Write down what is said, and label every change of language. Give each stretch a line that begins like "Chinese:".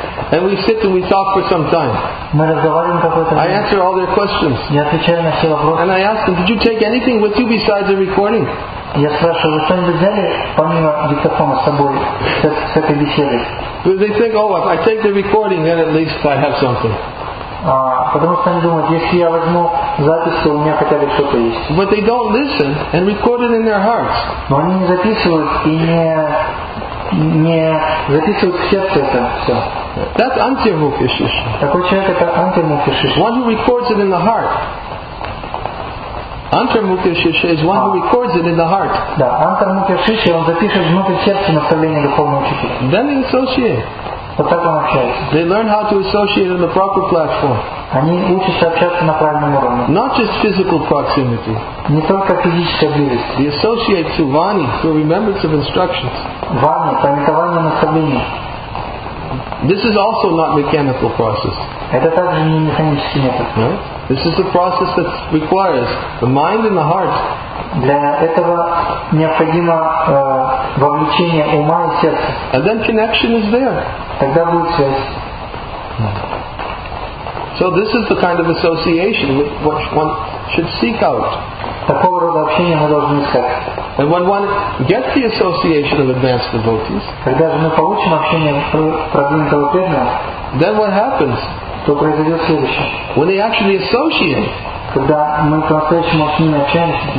English: And we sit and we talk for some time.
Russian: Мы разговариваем какое-то время.
English: I answer all their questions.
Russian: Я отвечаю на все вопросы.
English: And I ask them, did you take anything with you besides the recording?
Russian: Я спрашиваю, вы что-нибудь взяли помимо диктофона с собой с этой беседы?
English: They think, oh, if I take the recording, then at least I have something.
Russian: Потому что они думают, если я возьму запись, то у меня хотя бы что-то есть.
English: But they don't listen and record it in their hearts.
Russian: Но они не записывают и не записывают в сердце это все.
English: That's anti-mukhishish.
Russian: Такой человек это anti-mukhishish.
English: One who records it in the heart. Antarmukhya-shishya is one who records it in the heart.
Russian: Да, Antarmukhya-shishya, он запишет внутрь сердца наставление духовного учителя.
English: Then they associate.
Russian: Вот так он общается.
English: They learn how to associate on the proper platform.
Russian: Они учатся общаться на правильном уровне.
English: Not just physical proximity.
Russian: Не только физическая близость.
English: They associate to vani, to remembrance of instructions.
Russian: Vani, памятование наставления.
English: This is also not mechanical process.
Russian: Это также не механический метод.
English: No? This is the process that requires the mind and the heart.
Russian: Для этого необходимо вовлечение ума и сердца.
English: And then connection is there.
Russian: Тогда будет связь.
English: So this is the kind of association which one should seek out.
Russian: Такого рода общения мы должны искать.
English: And when one gets the association of advanced devotees,
Russian: когда же мы получим общение продвинутого преданного,
English: then what happens?
Russian: То произойдет следующее.
English: When they actually associate,
Russian: когда мы по-настоящему с ними общаемся,